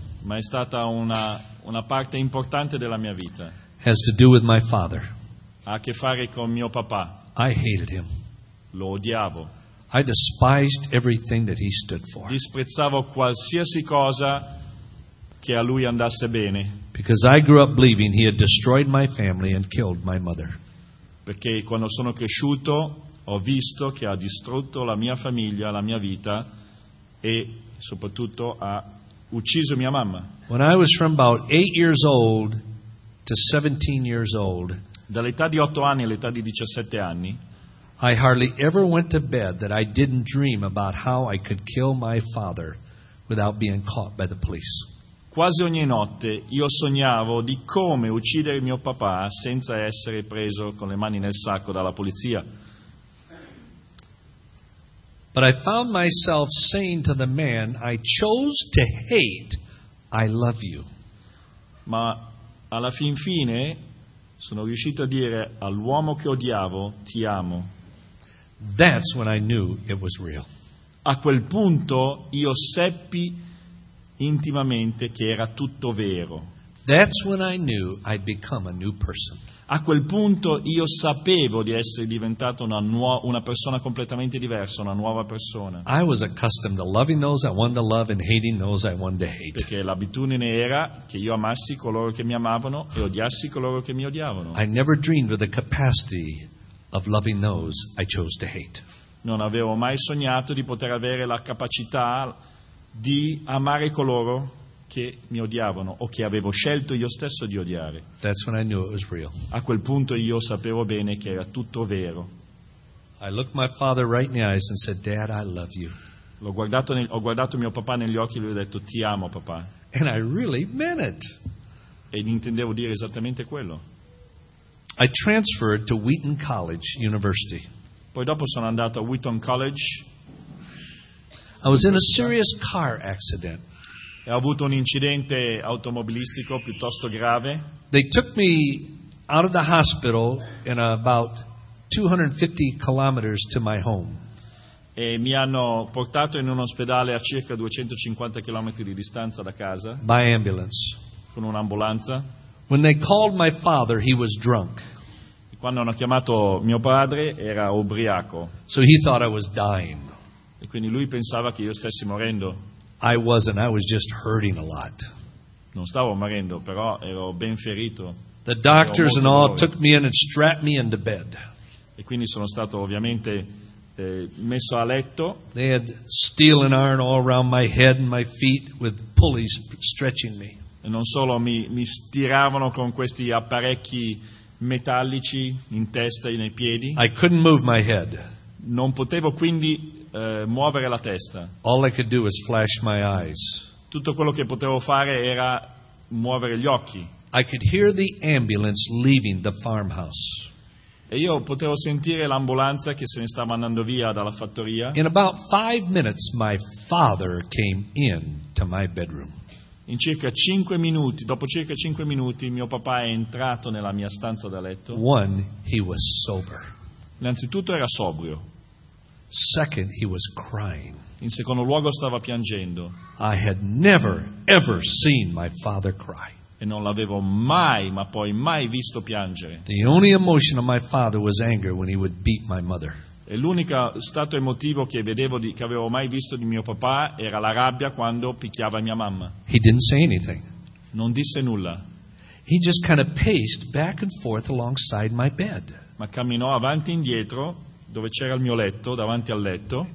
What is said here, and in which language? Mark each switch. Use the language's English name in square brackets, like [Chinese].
[Italian] Ma è stata una parte importante della mia vita. [English] Has to do with my father. [Italian] Ha a che fare con mio papà. [English] I hated him. [Italian] Lo odiavo. [English] I despised everything that he stood for. [Italian] Disprezzavo qualsiasi cosa che a lui andasse bene. [English] Because I grew up believing he had destroyed my family and killed my mother. [Italian] Perché quando sono cresciuto ho visto che ha distrutto la mia famiglia, la mia vita e soprattutto ha ucciso mia mamma. [English] When I was from about 8 years old to 17 years old, [Italian] dall'età di 8 anni all'età di 17 anni, [English] I hardly ever went to bed that I didn't dream about how I could kill my father without being caught by the police. [Italian] Quasi ogni notte io sognavo di come uccidere mio papà senza essere preso con le mani nel sacco dalla polizia. [English] But I found myself saying to the man I chose to hate, I love you. [Italian] Ma alla fin fine sono riuscito a dire all'uomo che odiavo, ti amo. [English] That's when I knew it was real. [Italian] A quel punto io seppi intimamente che era tutto vero. [English] That's when I knew I'd become a new person. [Italian] A quel punto io sapevo di essere diventato una persona completamente diversa, una nuova persona. [English] I was accustomed to loving those I wanted to love and hating those I wanted to hate. [Italian] Perché l'abitudine era che io amassi coloro che mi amavano e odiassi coloro che mi odiavano. [English] I never dreamed of the capacity of loving those I chose to hate. [Italian] Non avevo mai sognato di poter avere la capacità di amare coloro che mi odiavano o che avevo scelto io stesso di odiare. [English] That's when I knew it was real. [Italian] A quel punto io sapevo bene che era tutto vero. [English] I looked my father right in the eyes and said, "Dad, I love you." [Italian] Ho guardato mio papà negli occhi e gli ho detto, "Ti amo, papà." [English] And I really meant it. [Italian] E intendevo dire esattamente quello. [English] I transferred to Wheaton College University. [Italian] Poi dopo sono andato a Wheaton College. [English] I was in a serious car accident. [Italian] E ho avuto un incidente automobilistico piuttosto grave. [English] They took me out of the hospital in about 250 kilometers to my home. [Italian] E mi hanno portato in un ospedale a circa 250 chilometri di distanza da casa. [English] By ambulance. [Italian] Con un'ambulanza. [English] When they called my father, he was drunk. [Italian] E quando hanno chiamato mio padre, era ubriaco. [English] So he thought I was dying. [Italian] E quindi lui pensava che io stessi morendo. [English] I wasn't, I was just hurting a lot. [Italian] Non stavo morendo, però ero ben ferito. [English] The doctors and all took me in and strapped me into bed. [Italian] E quindi sono stato ovviamente messo a letto. [English] They had steel and iron all around my head and my feet with pulleys stretching me. [Italian] E non solo mi stiravano con questi apparecchi metallici in testa e nei piedi. [English] I couldn't move my head. [Italian] Non potevo quindi muovere la testa. [English] All I could do was flash my eyes. [Italian] Tutto quello che potevo fare era muovere gli occhi. [English] I could hear the ambulance leaving the farmhouse. [Italian] E io potevo sentire l'ambulanza che se ne stava andando via dalla fattoria. [English] In about 5 minutes, my father came in to my bedroom. [Italian] In circa 5 minuti, dopo circa 5 minuti, mio papà è entrato nella mia stanza da letto. [English] One, he was sober. [Italian] Innanzitutto era sobrio. [English] Second, he was crying. [Italian] In secondo luogo stava piangendo. [English] I had never ever seen my father cry. [Italian] E non l'avevo mai, ma poi mai visto piangere. [English] The only emotion of my father was anger when he would beat my mother. [Italian] E l'unico stato emotivo che vedevo di, che avevo mai visto di mio papà era la rabbia quando picchiava mia mamma. [English] He didn't say anything. [Italian] Non disse nulla. [English] He just kind of paced back and forth alongside my bed. [Italian] Ma camminò avanti e indietro dove c'era il mio letto, davanti al letto.